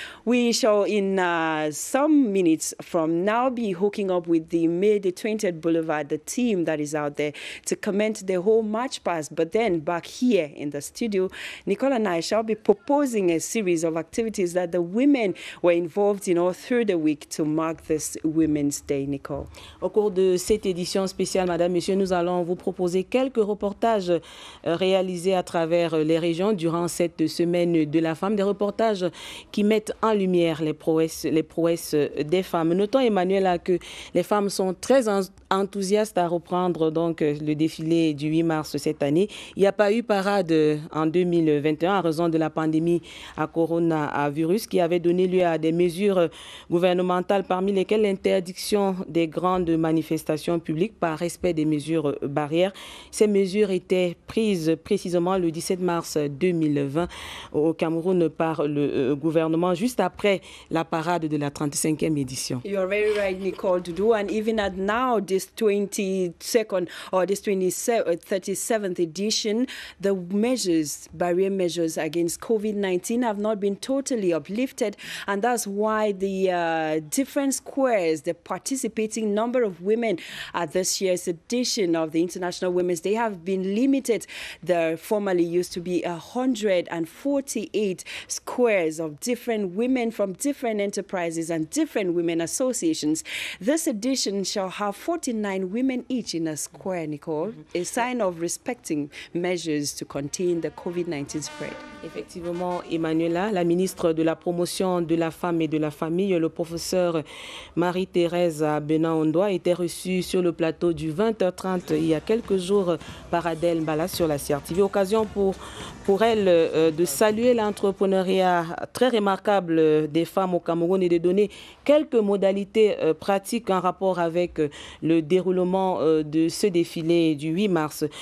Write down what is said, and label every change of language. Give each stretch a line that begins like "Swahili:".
English: We shall in some minutes from now be hooking up with the Made 20th Boulevard, the team that is out there to comment the whole march pass. But then back here in the studio, Nicole and I shall be proposing a a series of activities that the women were involved in all through the week to mark this Women's Day, Nicole.
French: Au cours de cette édition spéciale, Madame, Monsieur, nous allons vous proposer quelques reportages réalisés à travers les régions durant cette semaine de la femme, des reportages qui mettent en lumière les prouesses des femmes. Notons, Emmanuel, que les femmes sont très enthousiastes à reprendre donc le défilé du 8 mars cette année. Il n'y a pas eu parade en 2021 en raison de la pandémie à coronavirus qui avait donné lieu à des mesures gouvernementales parmi lesquelles l'interdiction des grandes manifestations publiques par respect des mesures barrières. Ces mesures étaient prises précisément le 17 mars 2020 au Cameroun par le gouvernement juste après la parade de la 35e édition.
English: You are very right, Nicole Doudou, and even at now, this 37th edition, the barrier measures against COVID-19 have not been totally uplifted, and that's why the different squares, the participating number of women at this year's edition of the International Women's Day have been limited. There formerly used to be 148 squares of different women from different enterprises and different women associations. This edition shall have 49 women each in a square, Nicole, a sign of respecting measures to contain the COVID-19 spread.
French: Effectivement, Emmanuela, la ministre de la Promotion de la Femme et de la Famille, le professeur Marie-Thérèse Benin-Ondo, a été reçue sur le plateau du 20h30 il y a quelques jours par Adèle Mbala sur la CRTV. Occasion pour elle de saluer l'entrepreneuriat très remarquable des femmes au Cameroun et de donner quelques modalités pratiques en rapport avec le déroulement de ce défilé du 8 mars.